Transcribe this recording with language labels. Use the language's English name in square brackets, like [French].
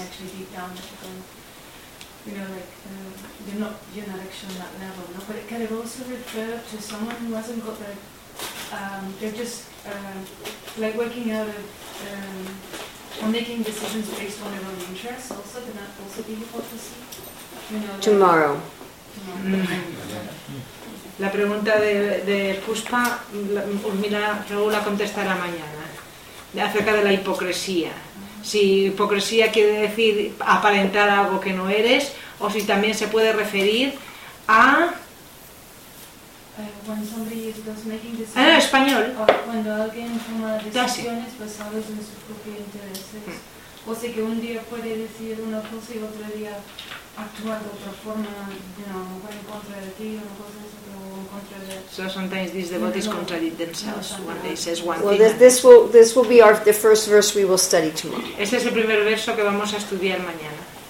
[English] Actually deep down, you're not actually on that level. No? But can it also refer to someone who hasn't got their, they're just like working out of. Or making decisions based on their own interests also, can that also be hypocrisy? Tomorrow. [Spanish] La pregunta de Puspa, Urmila la contestará mañana, acerca de la hipocresía. Si hipocresía quiere decir aparentar algo que no eres, o si también se puede referir a... [English] When somebody is just making decisions, [Spanish] en español. Cuando alguien toma decisiones basadas en sus propios intereses. O sea que un día puede decir una cosa y otro día actuar de otra forma, en contra de ti o cosas, o en contra de... [English] So sometimes these devotees contradict themselves when they say one thing. Well, this will be the first verse we will study tomorrow. [Spanish] Este es el primer verso que vamos a estudiar mañana.